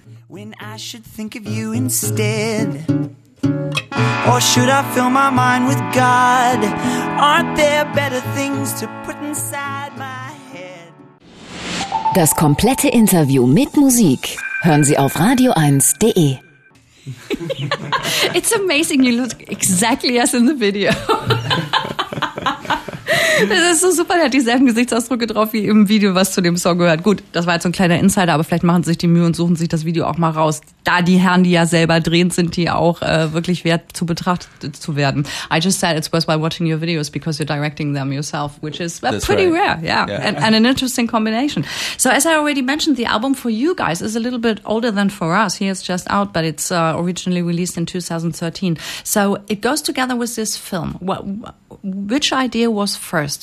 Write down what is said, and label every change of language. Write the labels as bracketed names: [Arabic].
[English] When I should think of you instead, or should I fill my mind with God? Aren't there better things to put inside my head? [German] Das komplette Interview mit Musik hören Sie auf radio1.de. [English] It's amazing, you look exactly as in the video. [German] Das ist so super, der hat dieselben Gesichtsausdrücke drauf wie im Video, was zu dem Song gehört. Gut, das war jetzt so ein kleiner Insider, aber vielleicht machen sie sich die Mühe und suchen sich das Video auch mal raus. Da die Herren, die ja selber drehen, sind die auch wirklich wert zu betrachtet zu werden. [English] I just said it's worthwhile watching your videos because you're directing them yourself, which is That's pretty rare. Yeah, and an interesting combination. So as I already mentioned, the album for you guys is a little bit older than for us. Here it's just out, but it's originally released in 2013. So it goes together with this film. Which idea was first?